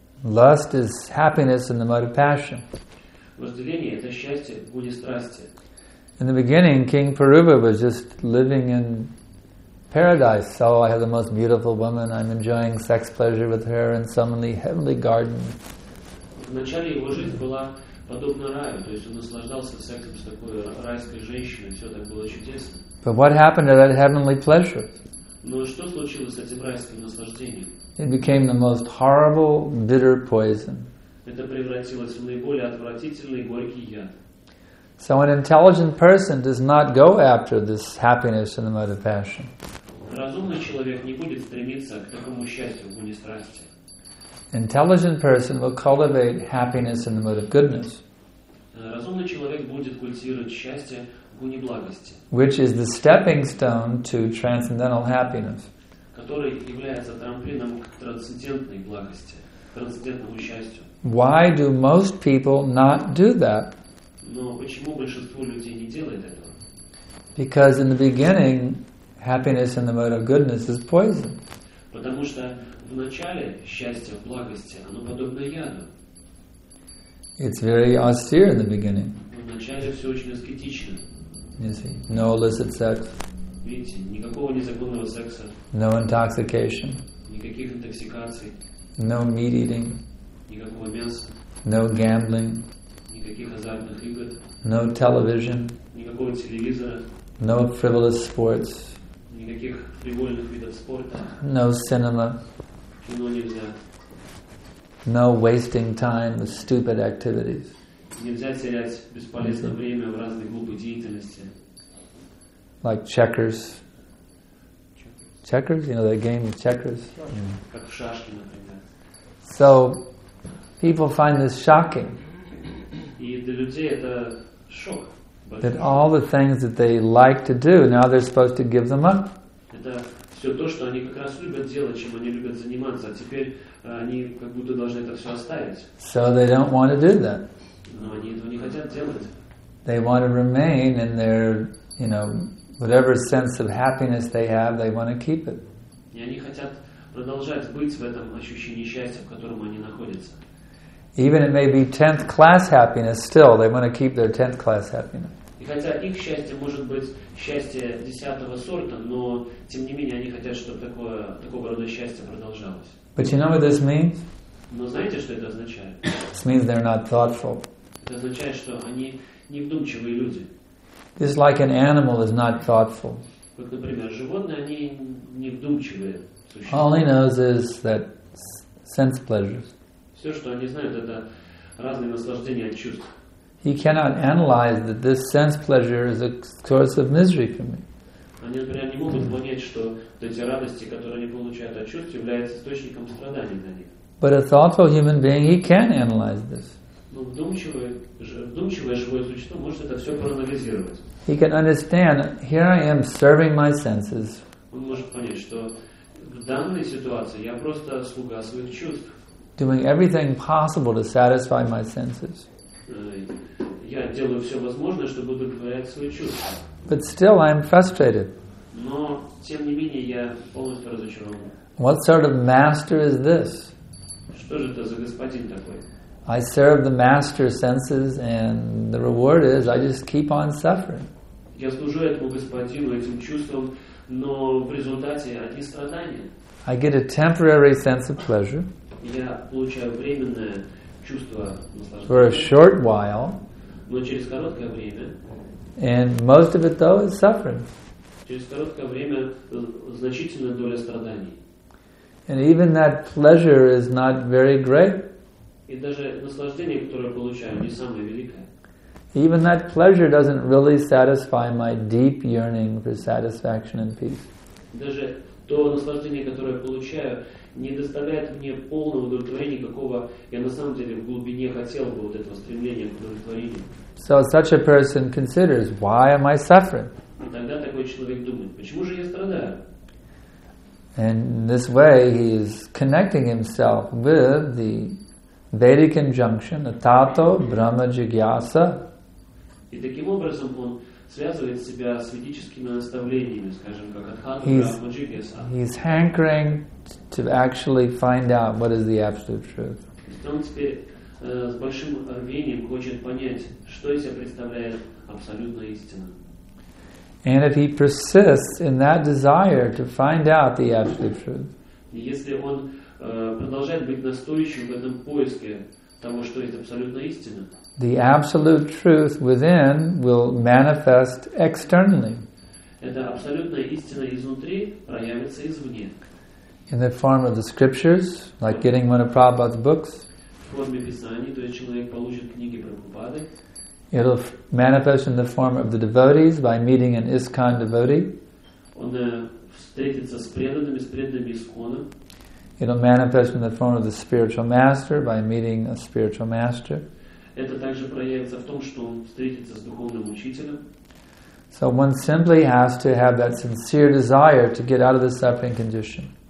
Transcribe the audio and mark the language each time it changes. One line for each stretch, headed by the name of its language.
English: Lust is happiness in the mode of passion.
Russian: Вожделение — это счастье в буде страсти.
English: In the beginning, King Puruva was just living in paradise. So I have the most beautiful woman, I'm enjoying sex pleasure with her in some of the heavenly garden.
Russian: Вначале его жизнь была подобна раю, то есть он наслаждался сексом с такой райской женщиной, все так было чудесно.
English: But what happened to that heavenly pleasure?
Russian: Но что случилось с этим райским наслаждением?
English: It became the most horrible, bitter poison.
Russian: Это превратилось в наиболее отвратительный и горький яд.
English: So an intelligent person does not go after this happiness in the mode of passion.
Russian: Разумный человек не будет стремиться к такому счастью в уме страсти.
English: intelligent person will cultivate happiness in the mood of goodness.
Russian: Разумный человек будет культивировать счастье в гуне благости.
English: Which is the stepping stone to transcendental happiness.
Russian: Который является трамплином к трансцендентной благости, трансцендентному счастью.
English: Why do most people not do that?
Russian: Но почему большинство людей не делает этого?
English: Because in the beginning, happiness in the mode of goodness is poison.
Russian: Потому что в начале счастье в благости, оно подобно яду.
English: It's very austere in the beginning.
Russian: В начале все очень аскетично.
English: You see, no illicit sex.
Russian: Видите, никакого незаконного секса.
English: No intoxication.
Russian: Никаких интоксикаций.
English: No meat eating.
Russian: Никакого мяса.
English: No gambling.
Russian: Никаких азартных игр.
English: No television.
Russian: Никакого телевизора.
English: No frivolous sports.
Russian: Никаких фривольных видов спорта.
English: No cinema.
Russian: Кино нельзя.
English: No wasting time with stupid activities.
Russian: Нельзя терять бесполезное время в разной глупой деятельности.
English: Like checkers. Checkers, you know, that game of checkers.
Russian: Как в шашки, например.
English: So, people find this shocking.
Russian: И для людей это шок.
English: That all the things that they like to do, now they're supposed to give them up.
Russian: Это все то, что они как раз любят делать, чем они любят заниматься, а теперь они как будто должны это все оставить.
English: So they don't want to do that.
Russian: Но они этого не хотят делать.
English: They want to remain in their, you know, whatever sense of happiness they have, they want to keep it.
Russian: И они хотят продолжать быть в этом ощущении счастья, в котором они находятся.
English: Even it may be 10th class happiness, still they want to keep their 10th class happiness.
Russian: И хотя их счастье может быть счастье 10-го сорта, но тем не менее они хотят, чтобы такого рода счастье продолжалось.
English: But you know what this means?
Russian: Но знаете, что это означает?
English: This means they're not thoughtful.
Russian: Это означает, что они не вдумчивые люди.
English: This is like an animal is not thoughtful.
Russian: Вот, например, животные, они не вдумчивые существа.
English: All he knows is that sense pleasures.
Russian: Все, что они знают, это разные наслаждения от чувств.
English: He cannot analyze that this sense pleasure is a source of misery for me.
Russian: Они, например, не могут понять, что эти радости, которые они получают от чувств, являются источником страданий для них.
English: But a thoughtful human being, he can analyze this.
Russian: Но вдумчивое живое существо может это все проанализировать.
English: He can understand, here I am serving my senses.
Russian: Он может понять, что в данной ситуации я просто слуга своих чувств.
English: Doing everything possible to satisfy my senses.
Russian: Я делаю все возможное, чтобы удовлетворять свои чувства.
English: But still I am frustrated.
Russian: Но, тем не менее, я полностью разочарован.
English: What sort of master is this?
Russian: Что же это за господин такой?
English: I serve the master senses and the reward is I just keep on suffering.
Russian: Я служу этому господину, этим чувствам, но в результате одни страдания.
English: I get a temporary sense of pleasure.
Russian: Я получаю временное чувство наслаждения.
English: For a short while.
Russian: Но через короткое время.
English: And most of it, though, is suffering.
Russian: Через короткое время значительная доля страданий.
English: And even that pleasure is not very great.
Russian: И даже наслаждение, которое получаю, не самое великое.
English: Even that pleasure doesn't really satisfy my deep yearning for satisfaction and peace.
Russian: Даже то наслаждение, которое я получаю, не доставляет мне полного удовлетворения, какого я на самом деле в глубине хотел бы, вот этого стремления к удовлетворению.
English: So such a person considers, why am I suffering?
Russian: И тогда такой человек думает, почему же я страдаю?
English: And in this way he is connecting himself with the Vedic injunction, Atato Brahma Jigyasa.
Russian: И таким образом он связывает себя с ведическими наставлениями, скажем, как Атхату Брахма Джигьяса.
English: He's hankering to actually find out what is the absolute truth.
Russian: Он теперь с большим рвением хочет понять, что из себя представляет абсолютная истина.
English: And if he persists in that desire to find out the absolute truth,
Russian: если он продолжает быть настойчивым в этом поиске того, что есть абсолютная истина,
English: the absolute truth within will manifest externally.
Russian: Эта абсолютная истина изнутри проявится извне.
English: In the form of the scriptures, like getting one of Prabhupada's books,
Russian: в форме писаний, то есть человек получит книги Прабхупады.
English: It'll manifest in the form of the devotees by meeting an ISKCON devotee.
Russian: Он встретится с преданными исконно.
English: It'll manifest in the throne of the spiritual master by meeting a spiritual master.
Russian: Это также проявится в том, что он встретится с духовным учителем.
English: So one simply has to have that sincere desire to get out of the suffering condition.